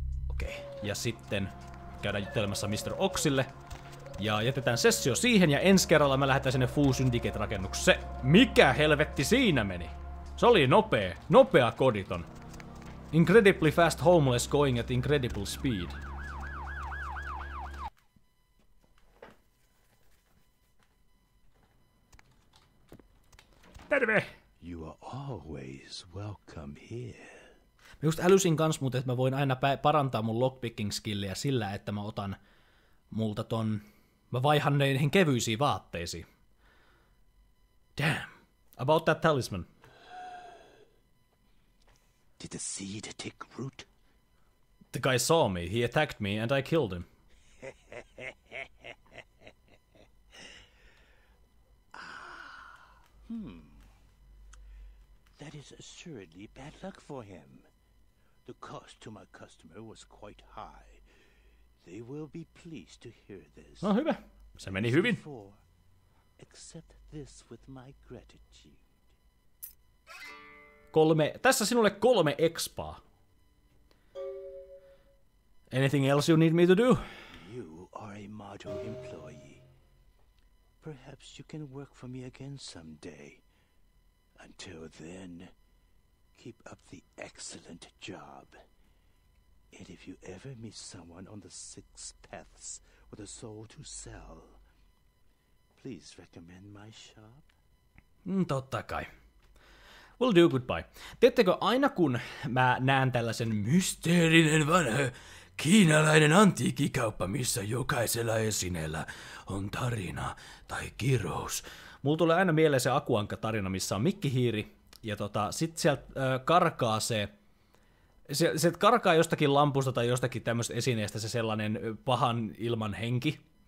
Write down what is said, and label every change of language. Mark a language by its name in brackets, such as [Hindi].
[Finnish] Okei, ja sitten käydään juttelemassa Mr. Oxille. Ja jätetään sessio siihen, ja ensi kerralla me lähdetään sinne Fu Syndicate-rakennukseen. Se, mikä helvetti siinä meni? Se oli nopea koditon. [English] Incredibly fast homeless going at incredible speed. [Finnish] Terve! [English] You are always welcome here. [Finnish] Mä just älysin kans muuten, että mä voin aina parantaa mun lockpicking skilliä sillä, että mä otan multa ton... Mä vaihan neihin kevyisiin vaatteisiin. [English] Damn. About that talisman. Did the seed take root? The guy saw me, he attacked me, and I killed him. That is assuredly bad luck for him. The cost to my customer was quite high. They will be pleased to hear this. [Finnish] No, hyvä. Se meni hyvin. [English] Accept this with my gratitude. [Finnish] Kolme. Tässä sinulle 3 expaa. [English] Anything else you need me to do? You are a Mato employee. Perhaps you can work for me again someday. Until then, keep up the excellent job. And if you ever meet someone on the 6 paths with a soul to sell, please recommend my shop. [Finnish] Totta kai. [English] Will do, goodbye. [Finnish] Teettekö aina kun mä näen tällaisen mysteerinen vanha kiinalainen antiikkikauppa, missä jokaisella esineellä on tarina tai kirous? Mulla tulee aina mieleen se Akuankka-tarina, missä on mikkihiiri, ja sit sieltä karkaa se, se karkaa jostakin lampusta tai jostakin tämmöstä esineestä se sellainen pahan ilman henki.